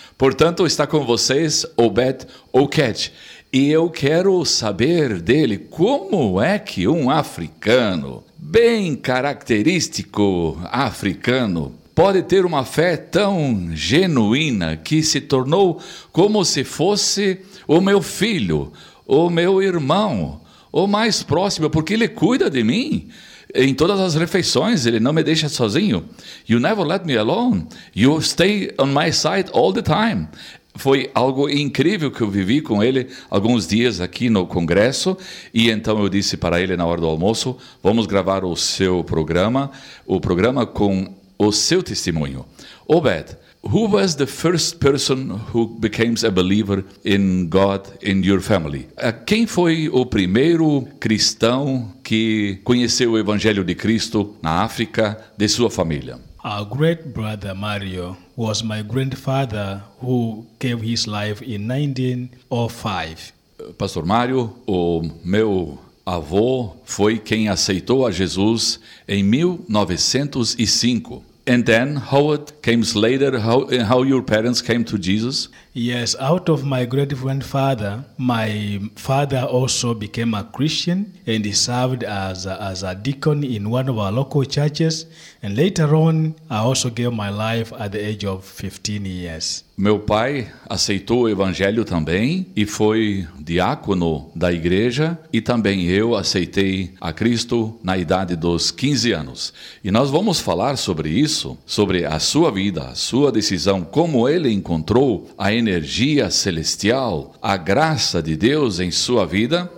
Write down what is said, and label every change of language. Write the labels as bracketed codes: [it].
[pt] Portanto, está com vocês Obed ou Catch, e eu quero saber dele como é que um africano, bem característico africano, pode ter uma fé tão genuína que se tornou como se fosse o meu filho, o meu irmão, o mais próximo, porque ele cuida de mim em todas as refeições, ele não me deixa sozinho. [en] You never let me alone, you stay on my side all the time. [pt] Foi algo incrível que eu vivi com ele alguns dias aqui no Congresso, e então eu disse para ele na hora do almoço, vamos gravar o seu programa, o programa com o seu testemunho. [en] Obed, who was the first person who became a believer in God in your family? [pt] Quem foi o primeiro cristão que conheceu o Evangelho de Cristo na África de sua família? [en] Our great brother Mario was my grandfather who gave his life in 1905. [pt] Pastor Mario, o meu avô foi quem aceitou a Jesus em 1905. [en] And then how it came later, how your parents came to Jesus? Yes, out of my great grandfather, my father also became a Christian and he served as a deacon in one of our local churches. And later on, I also gave my life at the age of 15 years. [pt] Meu pai aceitou o evangelho também e foi diácono da igreja, e também eu aceitei a Cristo na idade dos 15 anos. E nós vamos falar sobre isso, sobre a sua vida, a sua decisão, como ele encontrou a energia celestial, a graça de Deus em sua vida.